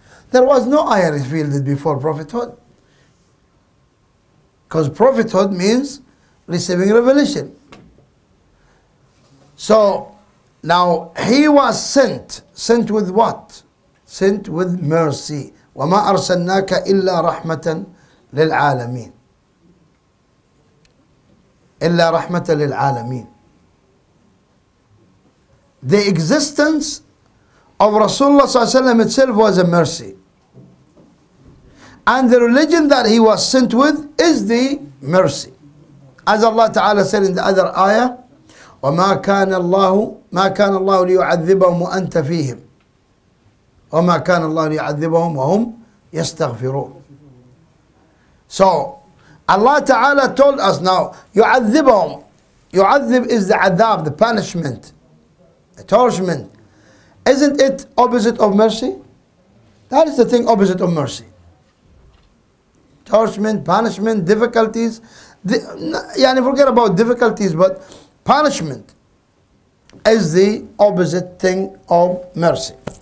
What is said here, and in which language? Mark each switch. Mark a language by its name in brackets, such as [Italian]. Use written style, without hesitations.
[English] There was no ayah revealed before prophethood, because prophethood means receiving revelation. So now he was sent with what? Sent with mercy. [Arabic] وما أرسلناك إلا رحمة للعالمين. إلا رحمة للعالمين. [English] The existence of Rasulullah صلى الله عليه وسلم itself was a mercy. And the religion that he was sent with is the mercy. As Allah Ta'ala said in the other ayah, [Arabic] وما كان الله ما كان الله ليعذبهم وأنت فيهم وما كان الله ليعذبهم وهم يستغفرون. [English] So Allah Ta'ala told us now يعذبهم. يعذب is the عذاب, the punishment, the torment. Isn't it opposite of mercy? That is the thing opposite of mercy. Torment, punishment, difficulties. يعني forget about difficulties, but punishment is the opposite thing of mercy.